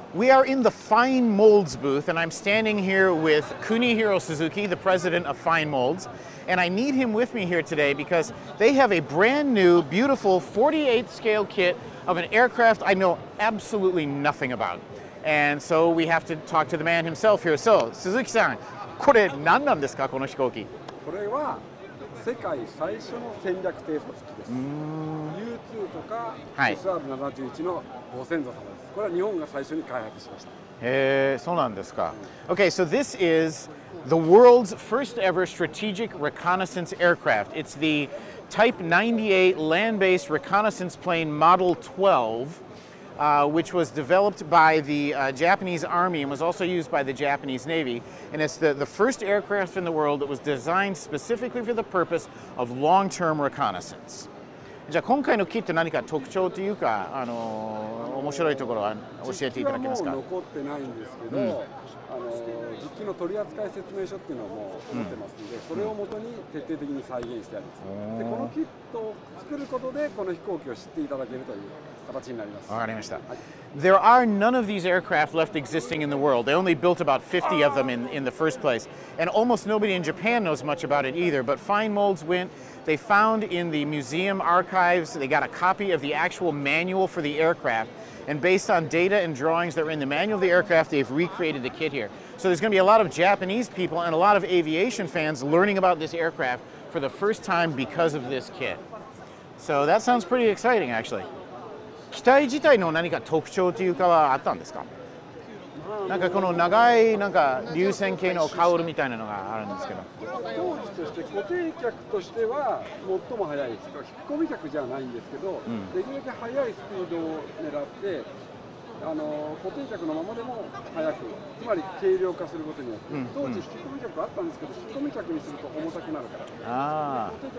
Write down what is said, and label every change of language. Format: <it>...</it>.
<en>are in the Fine Molds booth, and I'm standing here with Kunihiro Suzuki, the president of Fine Molds. And I need him with me here today because they have a brand new, beautiful 48 scale kit of an aircraft I know absolutely nothing about. And so we have to talk to the man himself here.</en> <ja>So, Suzuki-san, これ何なんですか、この飛行機? これは世界最初の戦略偵察機です。 U2 とか、はい、SR-71 のご先祖様です。これは日本が最初に開発しました。へえ、そうなんですか。</ja> <en>Okay, so this is the world's first ever strategic reconnaissance aircraft. It's the Type 98 land-based reconnaissance plane Model 12. Which was developed by the Japanese Army and was also used by the Japanese Navy. And it's the first aircraft in the world that was designed specifically for the purpose of long-term reconnaissance.</en> <ja>じゃあ今回のキット何か特徴というか、面白いところは教えていただけますか? 実機はもう残ってないんですけど、実機の取り扱い説明書っていうのはもう載ってますので、それをもとに徹底的に再現してあります。で、このキットを作ることで、この飛行機を知っていただけるという形になります。わかりました。</ja> <en>There are none of these aircraft left existing in the world. They only built about 50 of them in the first place. And almost nobody in Japan knows much about it either. But Fine Molds went, they found in the museum archives, they got a copy of the actual manual for the aircraft. And based on data and drawings that were in the manual of the aircraft, they've recreated the kit here. So there's going to be a lot of Japanese people and a lot of aviation fans learning about this aircraft for the first time because of this kit. So that sounds pretty exciting, actually.</en> <ja>機体自体の何か特徴というかはあったんですか?なんかこの長いなんか流線形のカウルみたいなのがあるんですけど。当時として固定客としては最も速い、引っ込み客じゃないんですけど、できるだけ速いスピードを狙って、固定客のままでも速く、つまり軽量化することによって、当時引っ込み客あったんですけど、引っ込み客にすると重たくなるから。</ja>